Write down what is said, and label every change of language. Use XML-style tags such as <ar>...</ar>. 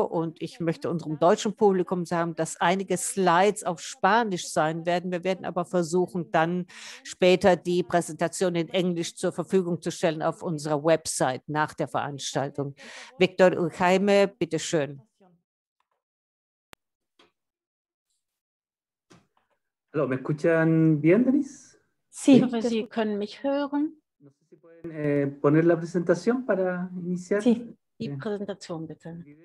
<de>Und ich möchte unserem deutschen Publikum sagen, dass einige Slides auf Spanisch sein werden. Wir werden aber versuchen, dann später die Präsentation in Englisch zur Verfügung zu stellen auf unserer Website nach der Veranstaltung. Victor und Jaime, bitteschön.</de> <es>Hallo, ¿me escuchan bien, Denise?</es> <de>Sí, ich hoffe, Sie können mich hören.</de> <es>No sé si pueden poner la presentación para iniciar.</es> <de>Sí, die Präsentation bitte.</de>